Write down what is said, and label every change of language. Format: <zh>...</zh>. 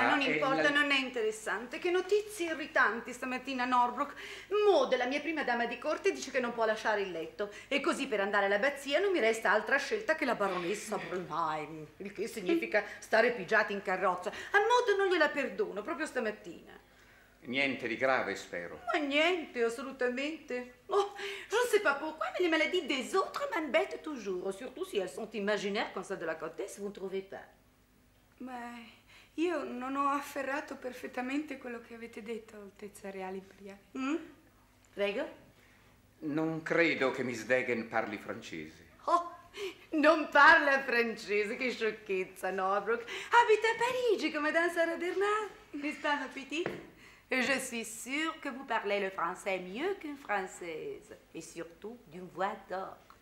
<it>Ma non importa, non è interessante. Che notizie irritanti stamattina a Norbrook. Maude, la mia prima dama di corte, dice che non può lasciare il letto. E così per andare all'abbazia non mi resta altra scelta che la baronessa Brunheim. Il che significa stare pigiati in carrozza. A Maude non gliela perdono, proprio stamattina. Niente di grave, spero. Ma niente, assolutamente.</it> <fr>Oh, je ne sais pas pourquoi, mais les maladies des autres m'embêtent toujours. Surtout si elles sont imaginaires comme ça de la comtesse, vous ne trouvez pas.</fr> <it>Beh, io non ho afferrato perfettamente quello che avete detto, Altezza Reale Imperiale. Prego? Non credo che Miss Degen parli francese. Oh, non parla francese, che sciocchezza, Norbrook. Abita a Parigi, come danza Radernard.</it> <fr>N'est-ce pas, ma petite? Je suis sûre que vous parlez le français mieux qu'une française. Et surtout, d'une voix d'or.</fr>